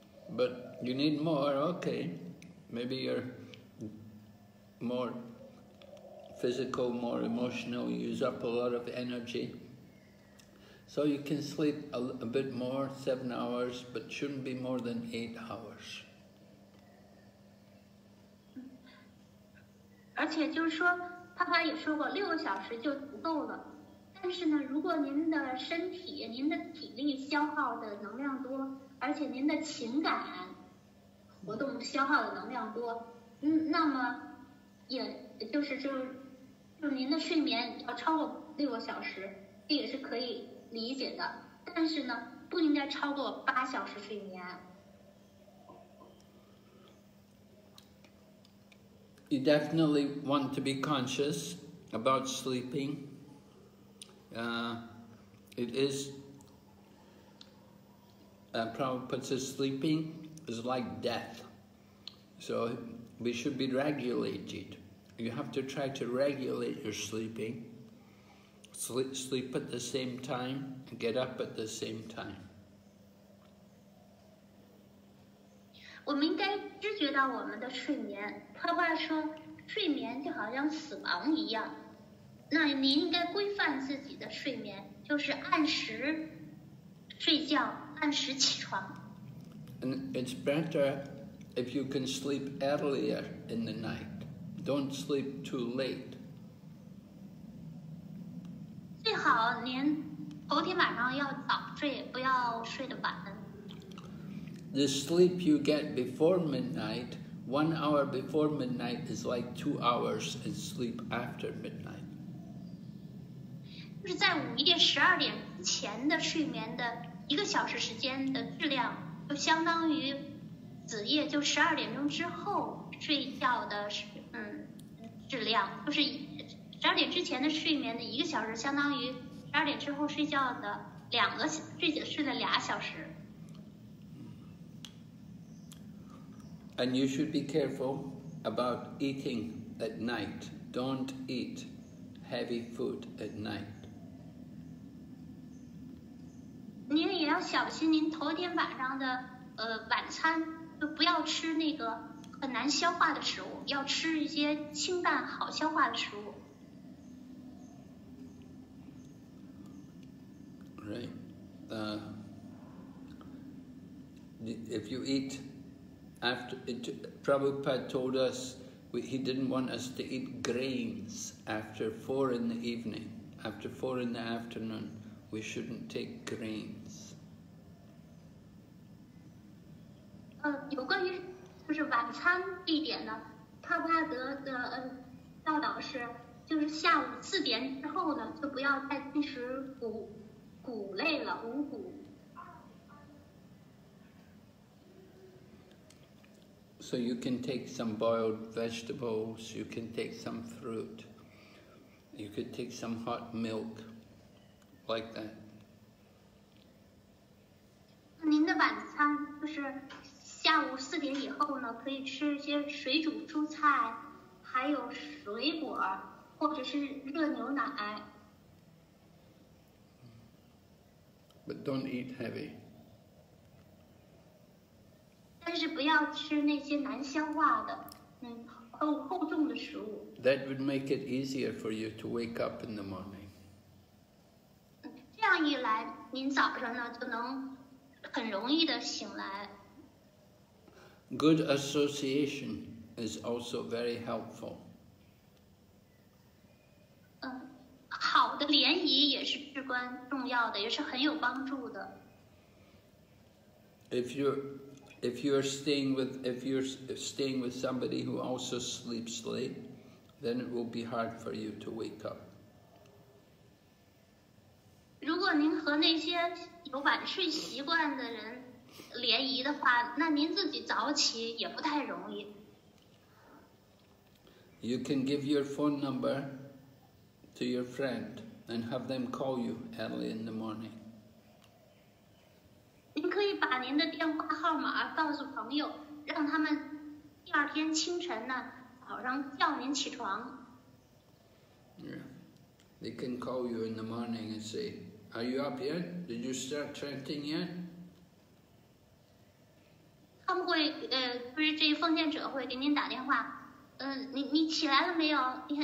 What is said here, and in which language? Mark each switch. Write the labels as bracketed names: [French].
[English] But you need more, okay. Maybe you're more physical, more emotional, you use up a lot of energy. So you can sleep a bit more, 7 hours, but shouldn't be more than 8 hours. [Chinese] 而且就是说，帕帕也说过，6个小时就足够了。但是呢，如果您的身体、您的体力消耗的能量多，而且您的情感活动消耗的能量多，那么也就是就您的睡眠要超过6个小时，这也是可以。理解的，但是呢，不应该超过8小时睡眠。 [English] You definitely want to be conscious about sleeping. It is. Prabhupada says sleeping is like death. So we should be regulated. You have to try to regulate your sleeping. Sleep at the same time and get up at the same time. [Chinese] 我们应该知觉到我们的睡眠。帕帕说，睡眠就好像死亡一样。那您应该规范自己的睡眠，就是按时睡觉，按时起床。 [English] And it's better if you can sleep earlier in the night. Don't sleep too late. [Chinese] 最好您头天晚上要早睡，不要睡得晚。 [English] The sleep you get before midnight, 1 hour before midnight is like 2 hours in sleep after midnight. [Chinese] 就是在午夜十二点之前的睡眠的一个小时时间的质量，就相当于子夜就十二点钟之后睡觉的质量，就是十二点之前的睡眠的一个小时，相当于十二点之后睡觉的两个睡了俩小时。 [English] And you should be careful about eating at night. Don't eat heavy food at night. [Chinese] 您也要小心您头天晚上的晚餐，就不要吃那个很难消化的食物，要吃一些清淡好消化的食物。 [English] Right. If you eat after it, Prabhupada told us he didn't want us to eat grains after 4 in the evening. After 4 in the afternoon, we shouldn't take grains. [Chinese] 有关于就是晚餐地点呢，帕帕德的教导是，就是下午4点之后呢，就不要再进食谷类了，五谷。 [English] So you can take some boiled vegetables, you can take some fruit, you could take some hot milk, like that. [Chinese] 您的晚餐就是下午四点以后呢，可以吃一些水煮蔬菜，还有水果，或者是热牛奶。 [English] But don't eat heavy. [Chinese] 但是不要吃那些难消化的，厚重的食物。 [English] That would make it easier for you to wake up in the morning. [Chinese] 这样一来，您早上呢就能很容易的醒来。 [English] Good association is also very helpful. [Chinese] 好的联谊也是至关重要的，也是很有帮助的。 [English] If you're staying with somebody who also sleeps late, then it will be hard for you to wake up. [Chinese] 如果您和那些有晚睡习惯的人联谊的话，那您自己早起也不太容易。 [English] You can give your phone number to your friend and have them call you early in the morning. [Chinese] 您可以把您的电话号码告诉朋友，让他们第二天清晨呢早上叫您起床。 [English] Yeah. They can call you in the morning and say, "Are you up yet? Did you start chanting yet?" [Chinese] 他们会就是这些奉献者会给您打电话，你起来了没有？